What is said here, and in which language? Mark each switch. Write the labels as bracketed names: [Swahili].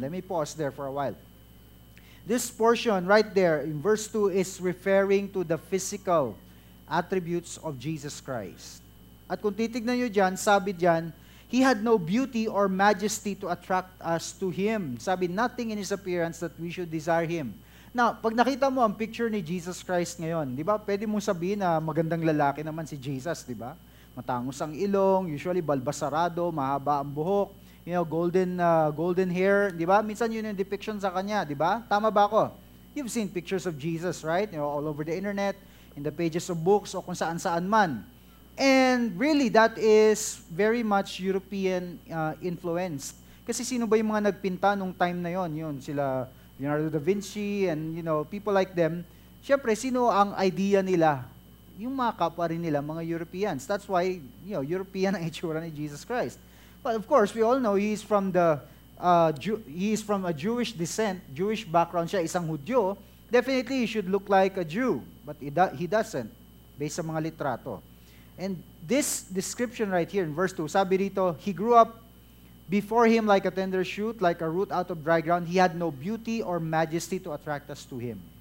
[English] Let me pause there for a while. This portion right there in verse 2 is referring to the physical attributes of Jesus Christ. [Filipino] At kung titignan nyo dyan, sabi dyan, [English] "He had no beauty or majesty to attract us to him." Sabi, "nothing in his appearance that we should desire him." [Filipino] Now, pag nakita mo ang picture ni Jesus Christ ngayon, di ba, pwede mong sabihin na magandang lalaki naman si Jesus, di ba? Matangos ang ilong, usually balbasarado, mahaba ang buhok, [English] you know, golden hair, [Filipino] di ba? Minsan yun yung depiction sa kanya, di ba? Tama ba ako? [English] You've seen pictures of Jesus, right? You know, all over the internet, in the pages of books, [Filipino] o kung saan-saan man. [English] And really, that is very much European influenced. [Filipino] Kasi sino ba yung mga nagpinta nung time na yon? Yun, sila Leonardo da Vinci [English] and, you know, people like them. [Filipino] Siyempre, sino ang idea nila? Yung mga kapwa rin nila, mga Europeans. [English] That's why, you know, European [Filipino] ang itsura ni [English] Jesus Christ. But of course, we all know he's from a Jewish descent, Jewish background [Filipino] siya, isang Hudyo. [English] Definitely, he should look like a Jew. But he doesn't, based [Filipino] sa mga litrato. [English] And this description right here in verse 2, [Filipino] sabi dito, [English] "He grew up before him like a tender shoot, like a root out of dry ground. He had no beauty or majesty to attract us to him."